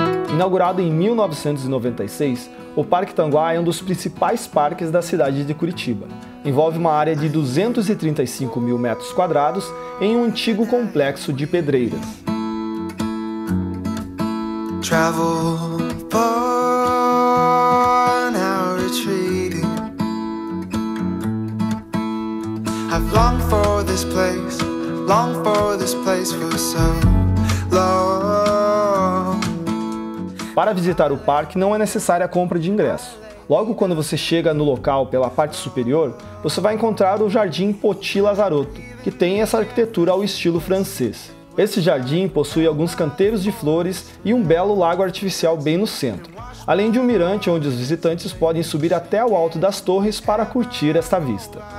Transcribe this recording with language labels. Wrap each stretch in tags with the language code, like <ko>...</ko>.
<pt>Inaugurado em 1996, o Parque Tanguá é um dos principais parques da cidade de Curitiba. Envolve uma área de 235 mil metros quadrados em um antigo complexo de pedreiras.</pt> <en>Travel on, now retreating. I've longed for this place, longed for this place for so long.</en> <pt>Para visitar o parque não é necessária a compra de ingresso. Logo quando você chega no local pela parte superior, você vai encontrar o Jardim Poti Lazzarotto, que tem essa arquitetura ao estilo francês. Esse jardim possui alguns canteiros de flores e um belo lago artificial bem no centro, além de um mirante onde os visitantes podem subir até o alto das torres para curtir esta vista.</pt>